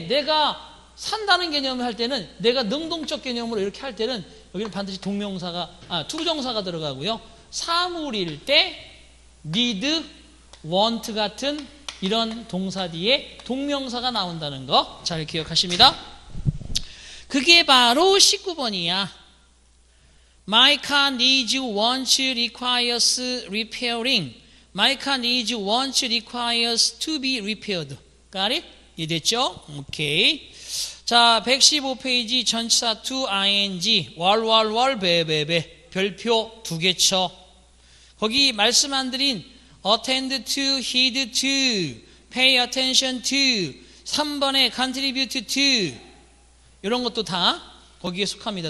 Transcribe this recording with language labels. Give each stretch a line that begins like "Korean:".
Korean: 내가 산다는 개념을 할 때는 내가 능동적 개념으로 이렇게 할 때는 여기는 반드시 동명사가 투부정사가 들어가고요. 사물일 때 need, want 같은 이런 동사 뒤에 동명사가 나온다는 거 잘 기억하십니다. 그게 바로 19번이야.
English: My car needs, wants, requires repairing. My car needs, wants, requires to be repaired. Got it?
Korean: 이해됐죠? 오케이. 자, 115페이지 전치사 2ing 왈왈왈 베베베 별표 두 개 쳐. 거기 말씀 안 드린 attend to, heed to, pay attention to, 3번에 contribute to 이런 것도 다 거기에 속합니다.